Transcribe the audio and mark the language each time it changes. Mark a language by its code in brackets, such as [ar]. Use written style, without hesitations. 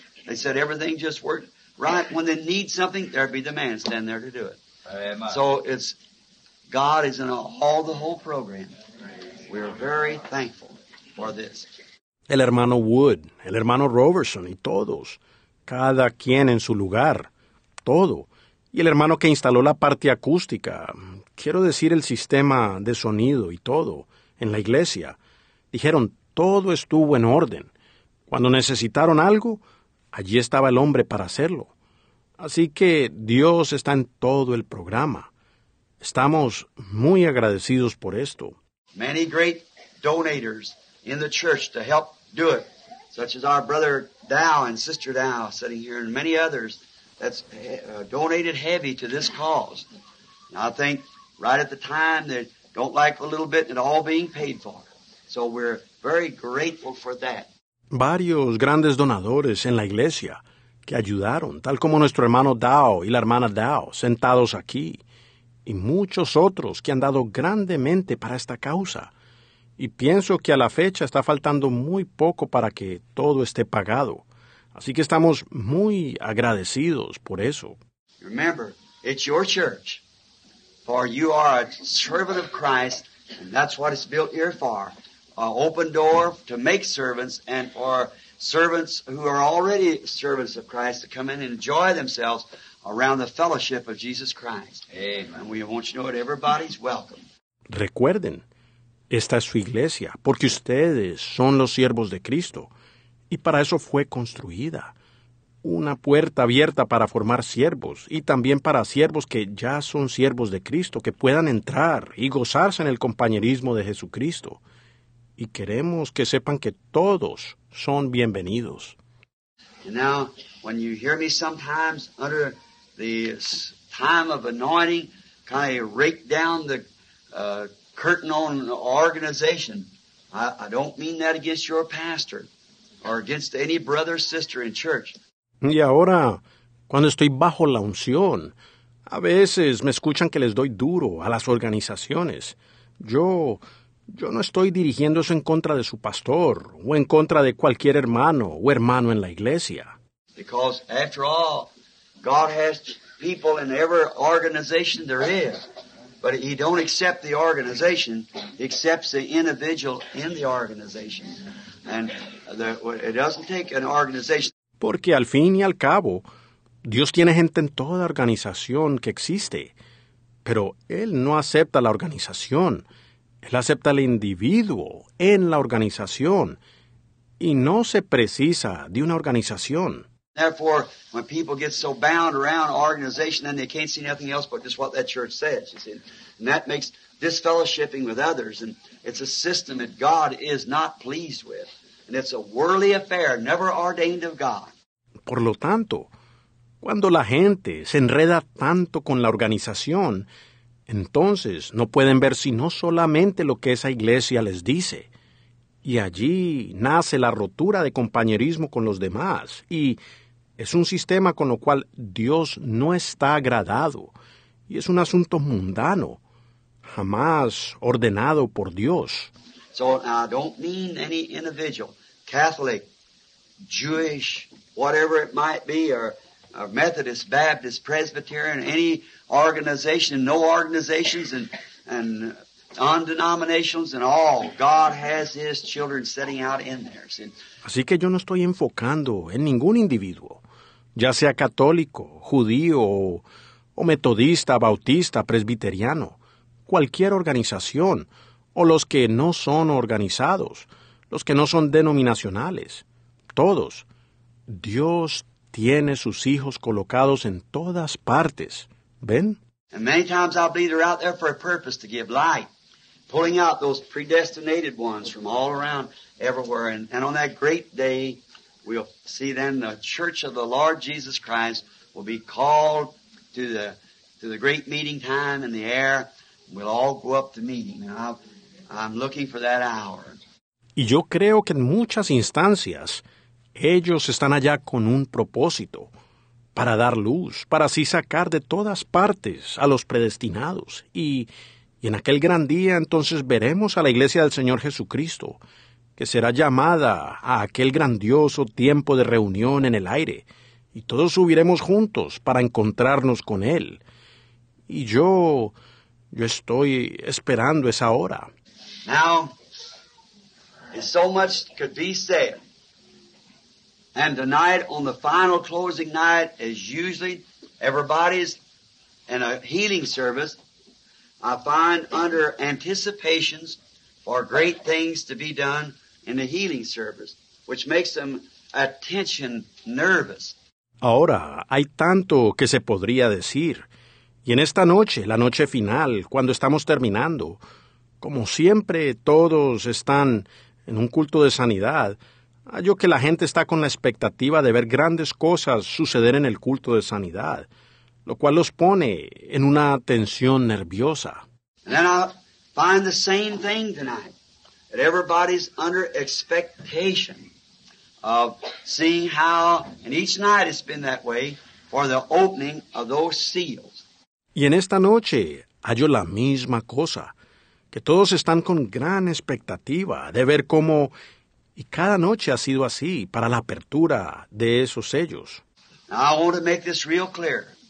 [en] They said everything just worked right. When they need something, there'd be the man standing there to do it. Amen. So it's, God is in all the whole program. We are very thankful. for this. [es] El hermano Wood, el hermano Roberson y todos, cada quien en su lugar, todo. Y el hermano que instaló la parte acústica, quiero decir el sistema de sonido y todo, en la iglesia. Dijeron, todo estuvo en orden. Cuando necesitaron algo, allí estaba el hombre para hacerlo. Así que Dios está en todo el programa. Estamos muy agradecidos por esto. [en] Many great donators in the church to help do it, such as our brother Dow and Sister Dow sitting here, and many others that's donated heavy to this cause. And I think right at the time they don't like a little bit and all being paid for. So we're very grateful for that. [es] Varios grandes donadores en la iglesia que ayudaron, tal como nuestro hermano Dow y la hermana Dow, sentados aquí, y muchos otros que han dado grandemente para esta causa. Y pienso que a la fecha está faltando muy poco para que todo esté pagado. Así que estamos muy agradecidos por eso. [en] Remember, it's your church, for you are a servant of Christ, and that's what it's built here for. An open door to make servants and for servants who are already servants of Christ to come in and enjoy themselves around the fellowship of Jesus Christ. Amen. And we want you to know that everybody's welcome. [es] Recuerden, esta es su iglesia, porque ustedes son los siervos de Cristo. Y para eso fue construida. Una puerta abierta para formar siervos y también para siervos que ya son siervos de Cristo, que puedan entrar y gozarse en el compañerismo de Jesucristo. Y queremos que sepan que todos son bienvenidos. [en] And now, when you hear me sometimes under the time of anointing, kind of rake down the curtain on the organization, I don't mean that against your pastor or against any brother or sister in church. [es] Y ahora, cuando estoy bajo la unción, a veces me escuchan que les doy duro a las organizaciones. Yo no estoy dirigiendo eso en contra de su pastor o en contra de cualquier hermano o hermano en la iglesia. [en] Because after all, God has people in every organization there is. But he don't accept the organization. He accepts the individual in the organization. And it doesn't take an organization. [es] Porque al fin y al cabo, Dios tiene gente en toda organización que existe. Pero él no acepta la organización. Él acepta al individuo en la organización y no se precisa de una organización. [en] Therefore, when people get so bound around organization, then they can't see nothing else but just what that church says. You see, and that makes disfellowshipping with others, and it's a system that God is not pleased with, and it's a worldly affair, never ordained of God. [es] Por lo tanto, cuando la gente se enreda tanto con la organización, entonces, no pueden ver sino solamente lo que esa iglesia les dice. Y allí nace la rotura de compañerismo con los demás. Y es un sistema con lo cual Dios no está agradado. Y es un asunto mundano, jamás ordenado por Dios. [en] So, I don't mean any individual, Catholic, Jewish, whatever it might be, or Methodist, Baptist, Presbyterian, any organization, no organizations, and non-denominations, and all. God has his children setting out in there. See? [es] Así que yo no estoy enfocando en ningún individuo, ya sea católico, judío, o metodista, bautista, presbiteriano, cualquier organización, o los que no son organizados, los que no son denominacionales, todos. Dios tiene sus hijos colocados en todas partes. ¿Ven? [en] And many times I believe they're out there for a purpose to give light, pulling out those predestinated ones from all around, everywhere. And on that great day, we'll see then the church of the Lord Jesus Christ will be called to the great meeting time in the air. We'll all go up to meeting. I'm looking for that hour. [es] Y yo creo que en muchas instancias, ellos están allá con un propósito, para dar luz, para así sacar de todas partes a los predestinados. Y en aquel gran día, entonces veremos a la iglesia del Señor Jesucristo, que será llamada a aquel grandioso tiempo de reunión en el aire, y todos subiremos juntos para encontrarnos con Él. Y yo estoy esperando esa hora. [en] Now, And so much could be said. And tonight, on the final closing night, as usually everybody's in a healing service, I find under anticipations for great things to be done in the healing service, which makes them attention nervous. [es] Ahora, hay tanto que se podría decir. Y en esta noche, la noche final, cuando estamos terminando, como siempre todos están en un culto de sanidad, hallo que la gente está con la expectativa de ver grandes cosas suceder en el culto de sanidad, lo cual los pone en una tensión nerviosa. [en] And then I find the same thing tonight, that everybody's under expectation of seeing how, and each night it's been that way, for the opening of those seals. [es] Y en esta noche hallo la misma cosa, que todos están con gran expectativa de ver cómo, y cada noche ha sido así para la apertura de esos sellos. [en] Now I want to make this real clear.